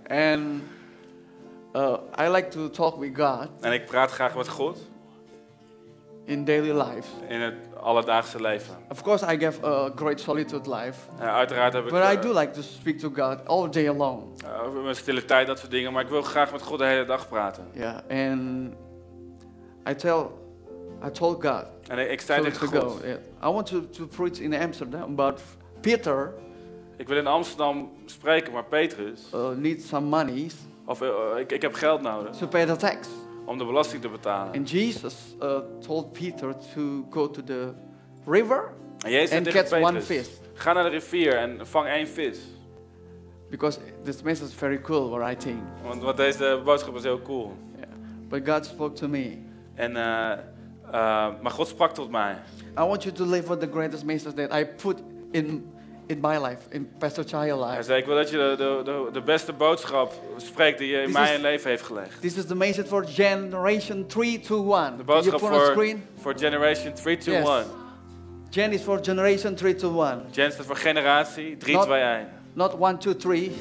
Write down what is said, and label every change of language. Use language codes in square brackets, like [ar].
[en] And I like to talk with God. [nl] En ik praat graag met God. [en] In daily life. [nl] In het alledaagse leven. [en] Of course, I have a great solitude life. [nl] Ja, uiteraard heb ik. [en] But I do like to speak to God all day long. [nl] Over mijn stille tijd, dat soort dingen. Maar ik wil graag met God de hele dag praten. [en] Ja. Yeah. And I told God. [nl] En ik zei tegen God. Yeah. [en] I want to preach in Amsterdam, but Peter. [nl] Ik wil in Amsterdam spreken, maar Petrus. [en] Needs some money. [nl] Of ik heb geld nodig. [en] To pay the tax. [nl] Om de belasting te betalen. [en] And Jesus told Peter to go to the river and catch Petrus, one fish. [nl] Ga naar de rivier en vang 1 vis. [en] Because this message is very cool, what I think. [nl] Want deze boodschap is heel cool. [en] Yeah. But God spoke to me. [nl] En maar God sprak tot mij. [en] I want you to live with the greatest message that I put in my life, in Pastor Chaya's life. [nl] Ja, ik wil dat je de beste boodschap spreekt die je in mijn leven heeft gelegd. [en] This is the message for generation 3-2-1. [nl] De boodschap voor generation 3-2-1. [en] Yes. Gen is for generation 3-2-1. [nl] Gen staat voor generatie 3-2-1. [en] Not 1-2-3.